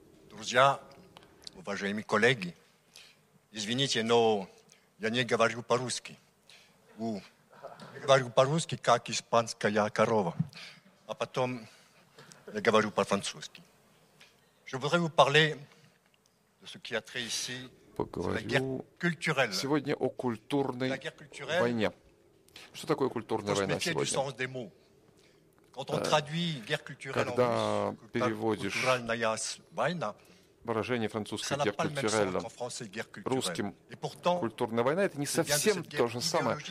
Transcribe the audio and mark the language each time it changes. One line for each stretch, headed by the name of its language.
Russian: Друзья, уважаемые коллеги, извините, но я не говорю по-русски. Я говорю по-русски, как испанская корова. А потом я говорю по-французски.
French: Je voudrais vous parler de ce qui a trait ici
Russian: сегодня о культурной войне. Что такое культурная война сегодня? Когда переводишь выражение французское
French: «guerre culturelle»
Russian: русским «культурная война» — это не совсем то же самое.